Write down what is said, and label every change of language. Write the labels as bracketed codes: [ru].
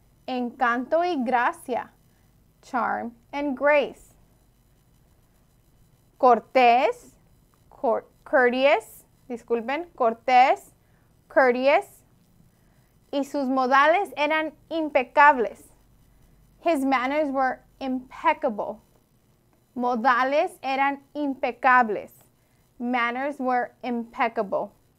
[es] Encanto y gracia, [en] charm and grace. [es] Cortés, courteous, disculpen, cortés, courteous. Y sus modales eran impecables. [en] His manners were impeccable. [es] Modales eran impecables. [en] Manners were impeccable.